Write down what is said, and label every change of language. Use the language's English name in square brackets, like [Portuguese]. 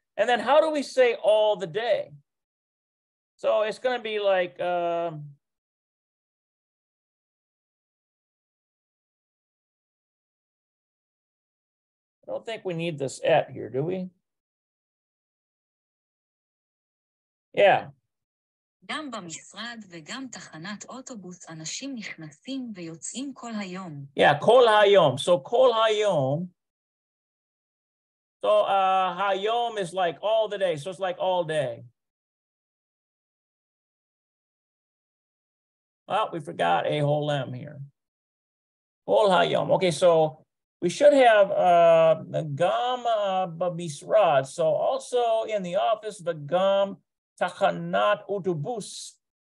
[English] And then how do we say all the day? So it's going to be like... I don't think we need this at here, do we? Yeah. [Hebrew] גם במשרד וגם תחנת אוטובוס אנשים נכנסים ויוצאים כל היום. Yeah, כל היום. So כל היום. [English] So היום is like all the day. So it's like all day. Well, we forgot a whole lem here. כל היום. Okay, so we should have gam bamisrad, so also in the office, the gam tachanat autobus.